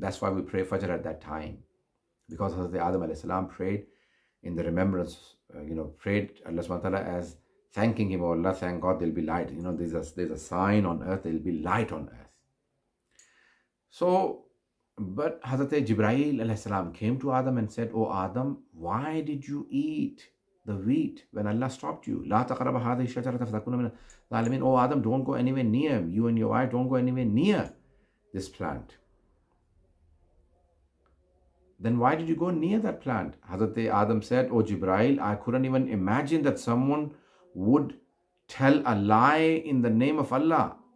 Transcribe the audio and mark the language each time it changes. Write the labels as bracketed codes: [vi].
[en] That's why we pray Fajr at that time. Because Hazrat Adam alayhi salam prayed in the remembrance, prayed Allah subhanahu wa ta'ala as thanking him, oh Allah, thank God there'll be light. You know, there's a sign on earth, there'll be light on earth. So, but Hazrat Jibreel alayhi salam came to Adam and said, oh Adam, why did you eat the wheat when Allah stopped you? [ar] لا تقرب هذه الشجرة فتكون من الظالمين. [en] Oh Adam, don't go anywhere near him. You and your wife, don't go anywhere near this plant. Then why did you go near that plant? Hazrat Adam said, O Jibreel, I couldn't even imagine that someone would tell a lie in the name of Allah.